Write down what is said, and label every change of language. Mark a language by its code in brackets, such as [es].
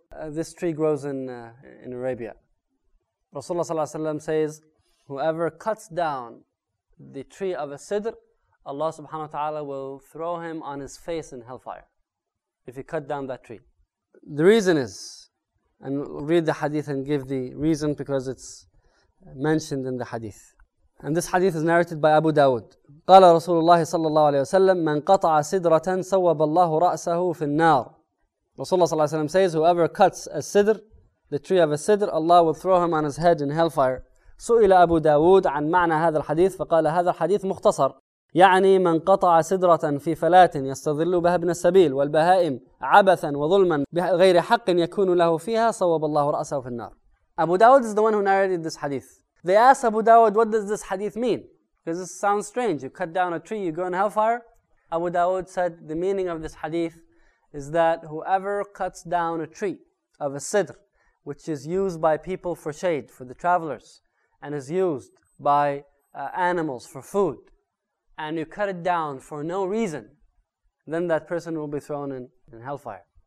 [en] This tree grows in Arabia. Rasulullah ﷺ says, whoever cuts down the tree of a sidr, Allah subhanahu wa ta'ala will throw him on his face in hellfire if he cut down that tree. The reason is, and read the hadith and give the reason because it's mentioned in the hadith. And this hadith is narrated by Abu Dawud. [ar] قال رسول الله صلى الله عليه وسلم من قطع سدرة صوب الله رأسه في النار. [en] Rasulullah ﷺ says, whoever cuts a sidr, the tree of a sidr, Allah will throw him on his head in hellfire. [ar] سئل أبو داود عن معنى هذا الحديث فقال هذا الحديث مختصر يعني من قطع سدرة في فلاة يستظل بها ابن السبيل والبهائم عبثا وظلما بغير حق يكون له فيها صوب الله رأسه في النار. [en] Abu Dawud is the one who narrated this hadith. They asked Abu Dawud, what does this hadith mean? Because this sounds strange. You cut down a tree, you go in hellfire. Abu Dawud said the meaning of this hadith is that whoever cuts down a tree of a sidr, which is used by people for shade, for the travelers, and is used by animals for food, and you cut it down for no reason, then that person will be thrown in hellfire.